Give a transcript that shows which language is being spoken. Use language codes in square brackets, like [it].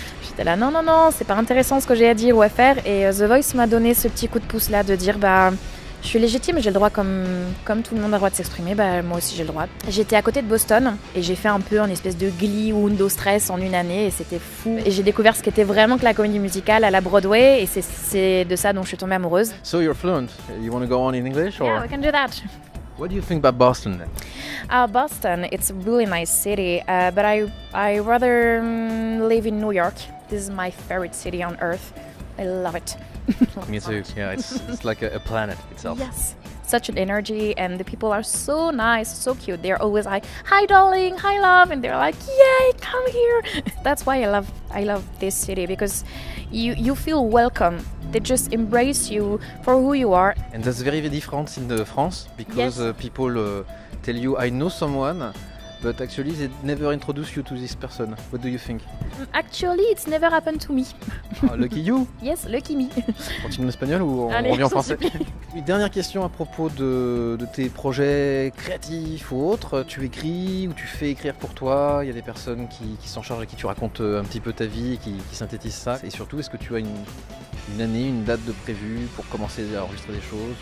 [fr] J'étais là, non, c'est pas intéressant ce que j'ai à dire ou à faire. Et The Voice m'a donné ce petit coup de pouce là de dire, Je suis légitime, j'ai le droit, comme tout le monde a le droit de s'exprimer, bah, moi aussi j'ai le droit. J'étais à côté de Boston et j'ai fait un peu une espèce de Glee ou Undo Stress en une année et c'était fou. Et j'ai découvert ce qu'était vraiment que la comédie musicale à la Broadway et c'est de ça dont je suis tombée amoureuse. [en] So you're fluent, you want to go on in English or? Yeah, we can do that. What do you think about Boston then? Boston, it's a really nice city, but I rather live in New York. This is my favorite city on earth. I love it. Me too. Yeah, it's like a planet itself. Yes, such an energy, and the people are so nice, so cute. They're always like, "Hi, darling, hi, love," and they're like, "Yay, come here." That's why I love this city, because you feel welcome. They just embrace you for who you are. And that's very, very different in the France, because yes. People tell you, "I know someone." But actually, they never introduce you to this person. What do you think? Actually, it's never happened to me. Oh, lucky you? Yes, lucky me. [fr] Continue en espagnol ou on Allez, revient en français? Une dernière question à propos de tes projets créatifs ou autres. Tu écris ou tu fais écrire pour toi? Il y a des personnes qui s'en chargent et qui tu racontes un petit peu ta vie et qui synthétisent ça. Et surtout, est-ce que tu as une année, une date de prévue pour commencer à enregistrer des choses?